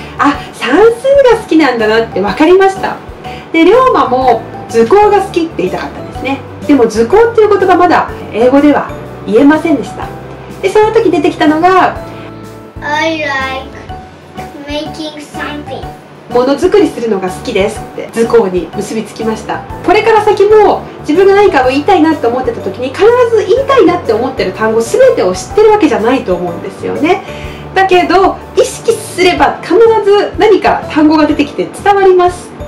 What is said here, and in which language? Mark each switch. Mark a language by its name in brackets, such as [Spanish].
[Japanese] あ算数が好きなんだなって分かりました。でりょうまも図工が好きって言いたかったんですね。でも図工っていう言葉まだ英語では言えませんでした。でその時出てきたのが [English] I like making something [Japanese] ものづくりするのが好きですって図工に結びつきました。これから先も自分が何かを言いたいなって思ってた時に、必ず言いたいなって思ってる単語全てを知ってるわけじゃないと思うんですよね。だけど意識すれば必ず何か単語が出てきて伝わります。